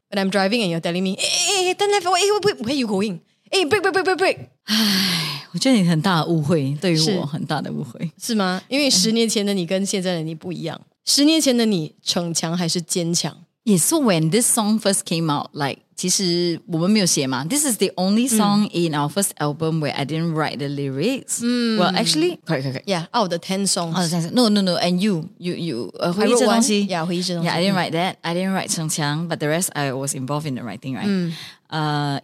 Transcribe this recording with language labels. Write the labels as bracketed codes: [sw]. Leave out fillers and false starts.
[en] When I'm driving and you're telling me, turn left, where are you going? Hey, break. [zh] 唉，我觉得你很大的误会，对于我很大的误会，是吗？因为十年前的你跟现在的你不一样，十年前的你逞强还是坚强？ [en] Yeah, so when this song first came out, like, [zh] 其实我们没有写嘛, [en] this is the only song in our first album where I didn't write the lyrics. Well, actually, correct. Yeah, out of the 10 songs. Out of the 10 songs. No. And you, 回忆这东西? Yeah, 回忆这东西. Yeah, I didn't write that. I didn't write 城墙, but the rest I was involved in the writing, right?